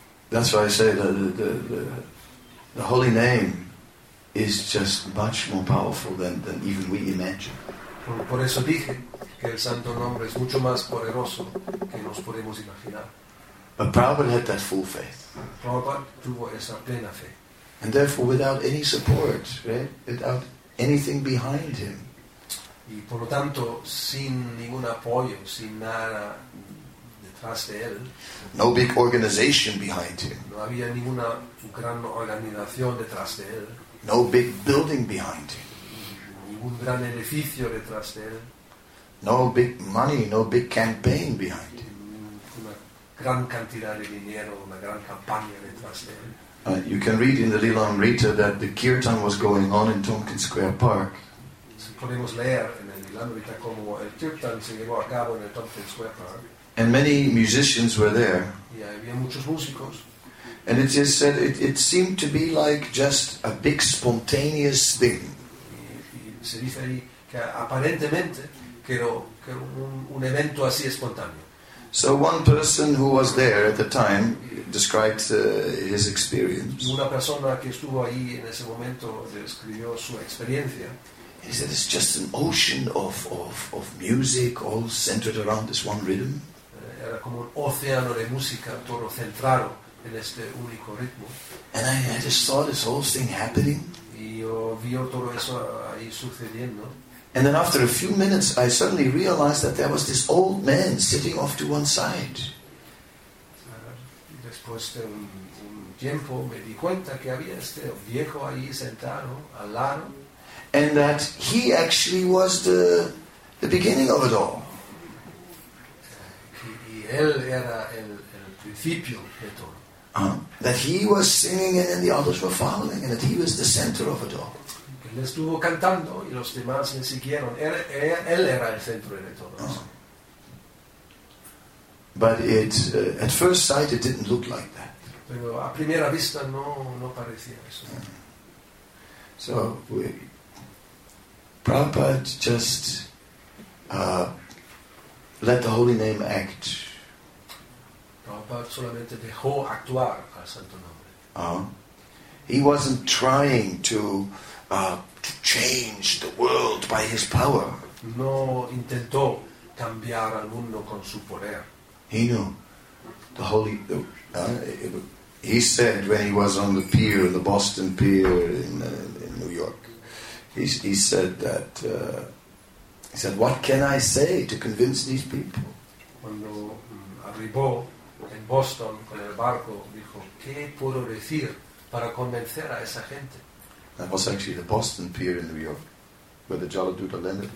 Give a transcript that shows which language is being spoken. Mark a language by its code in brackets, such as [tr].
[en] That's why I say the holy name is just much more powerful than even we imagine. [es] Por eso dije que el santo nombre es mucho más poderoso que nos podemos imaginar. [en] But Prabhupada had that full faith. [es] Prabhupada tuvo esa plena fe. [en] And therefore, without any support, right? Without anything behind him. [es] Y por lo tanto, sin ningún apoyo, sin nada detrás de él. [en] No big organization behind him. [es] No había ninguna gran organización detrás de él. [en] No big building behind him. [es] Ningún gran edificio detrás de él. [en] No big money, no big campaign behind him. [es] Una gran cantidad de dinero, una gran campaña detrás de él. [en] You can read in the Lilamrita that the kirtan was going on in Tompkin Square Park. [es] Podemos leer en el Lilamrita como el kirtan se llevó a cabo en el Tompkin Square Park. [en] And many musicians were there. [es] Y había muchos músicos. [en] And it just said it seemed to be like just a big spontaneous thing. [es] Se dice ahí que aparentemente que un evento así espontáneo. [en] So one person who was there at the time described his experience. [es] Una persona que estuvo ahí en ese momento describió su experiencia. [en] He said it's just an ocean of music all centered around this one rhythm. [es] Era como un océano de música todo centrado en este único ritmo. [en] And I just saw this whole thing happening. [es] Y yo vi todo eso ahí sucediendo. [en] And then after a few minutes I suddenly realized that there was this old man sitting off to one side. [es] Después de un tiempo me di cuenta que había este viejo ahí sentado al lado. [en] And that he actually was the beginning of it all. [es] Y él era el principio de todo. [en] That he was singing and then the others were following and that he was the center of it all. [es] Él estuvo cantando y los demás le siguieron. Él era el centro de todo. [en] But it, at first sight it didn't look like that. [es] Pero a primera vista no parecía eso. [en] So we, Prabhupada just let the holy name act. [es] Prabhupada solamente dejó actuar al santo nombre. [en] He wasn't trying to change the world by his power. [es] No intentó cambiar al mundo con su poder. [en] He knew the holy. He said when he was on the pier, the Boston Pier in New York. He said that. He said, "What can I say to convince these people?" [es] Cuando arribó en Boston con el barco, dijo, "¿Qué puedo decir para convencer a esa gente?" [en] That was actually the Boston Pier in New York, where the Jaladuta landed.